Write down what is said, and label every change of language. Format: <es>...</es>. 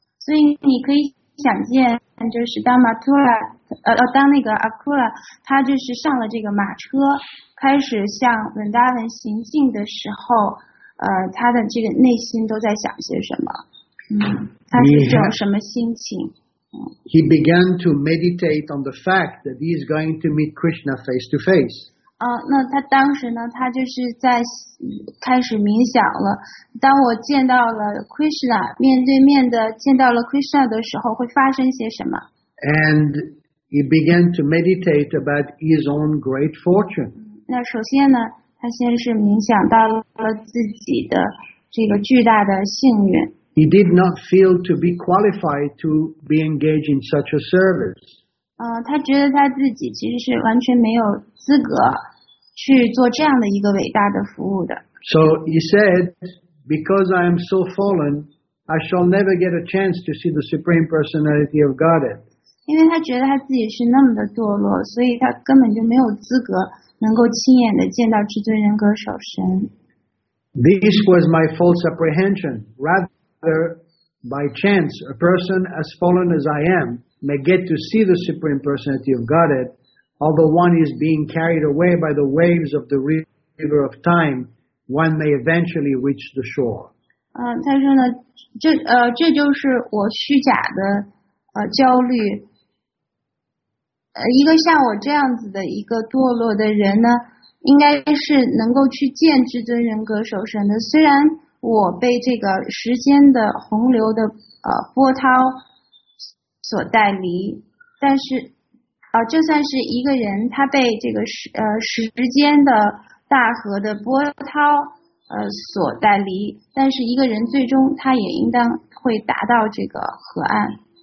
<zh>所以你可以想见，就是当 Mathura， 当那个 Akrura， 他就是上了这个马车，开始向 Vrindavan 行进的时候，他的这个内心都在想些什么？他是这种什么心情？</zh> <en>He began to meditate on the fact that he is going to meet Krishna face to face.</en> <zh>那他当时呢，他就是在开始冥想了。当我见到了 Krishna， 面对面的见到了 Krishna 的时候，会发生些什么</zh> <en>？And he began to meditate about his own great fortune.</en> <zh>那首先呢，他先是冥想到了自己的这个巨大的幸运。</zh> <en>He did not feel to be qualified to be engaged in such a service.</en> <zh>他觉得他自己其实是完全没有资格去做这样的一个伟大的服务的。</zh> <en>So he said, because I am so fallen, I shall never get a chance to see the Supreme Personality of Godhead.</en> <zh>因为他觉得他自己是那么的堕落，所以他根本就没有资格能够亲眼的见到至尊人格首身。</zh> <en>This was my false apprehension. Rather, by chance, a person as fallen as I am may get to see the Supreme Personality of Godhead, although one is being carried away by the waves of the river of time, one may eventually reach the shore.</en> <zh>他说呢，这就是我虚假的焦虑。一个像我这样子的一个堕落的人呢，应该是能够去见至尊人格守神的。虽然我被这个时间的洪流的波涛所带离，但是这算是一个人他被这个时间的大河的波涛所带离，但是一个人最终他也应当会达到这个河岸。</zh>